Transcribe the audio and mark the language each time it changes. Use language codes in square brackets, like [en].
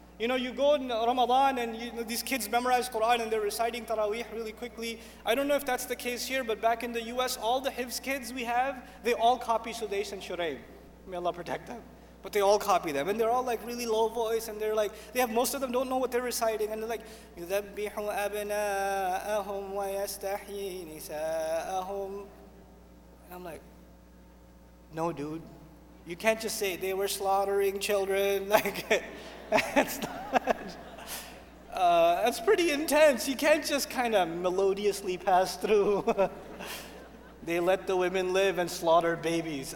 [en] You know, you go in Ramadan and you know, these kids memorize Quran and they're reciting Taraweeh really quickly. I don't know if that's the case here, but back in the US, all the Hifz kids we have, they all copy Sudais and Shuraim. May Allah protect them. But they all copy them. And they're all like really low voice and they're like, they have, most of them don't know what they're reciting. And they're like, [ar] يُذَبِّحُ أَبْنَاءَهُمْ وَيَسْتَحْيِي نِسَاءَهُمْ. [en] And I'm like, no, dude. You can't just say they were slaughtering children. Like, that's pretty intense. You can't just kind of melodiously pass through. They let the women live and slaughter babies.